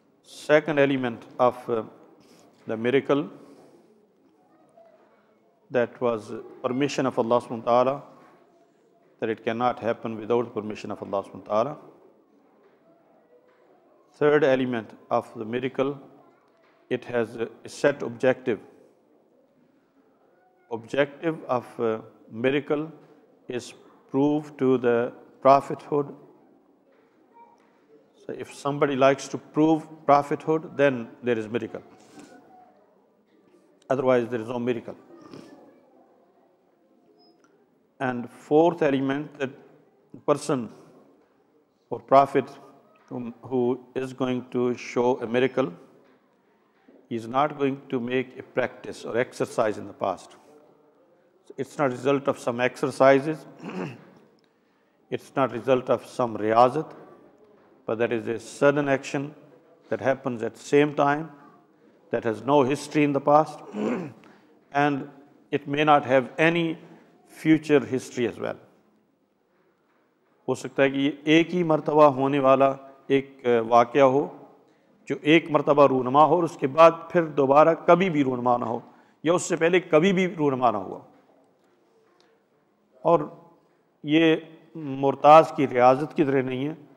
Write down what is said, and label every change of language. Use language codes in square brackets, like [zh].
[en] Second element of the miracle that was permission of Allah سبحانہ وتعالیٰ، that it can not happen without permission of Allah سبحانہ وتعالیٰ. Third element of the miracle, it has a set objective. Objective of miracle is proof to the prophethood. So if somebody likes to prove prophethood, then there is miracle. Otherwise, there is no miracle. And fourth element, that the person or prophet who is going to show a miracle, he is not going to make a practice or exercise in the past. It's not a result of some exercises. It's not a result of some riyazat. But that is a sudden action that happens at the same time, that has no history in the past. And it may not have any future history as well. [ur] Ho sakta hai ki ye ek hi martaba hone wala ek waqia ho, جو ایک مرتبہ رونما ہو اور اس کے بعد پھر دوبارہ کبھی بھی رونما نہ ہو، یا اس سے پہلے کبھی بھی رونما نہ ہوا. اور یہ مرتاز کی ریاضت کی طرح نہیں ہے،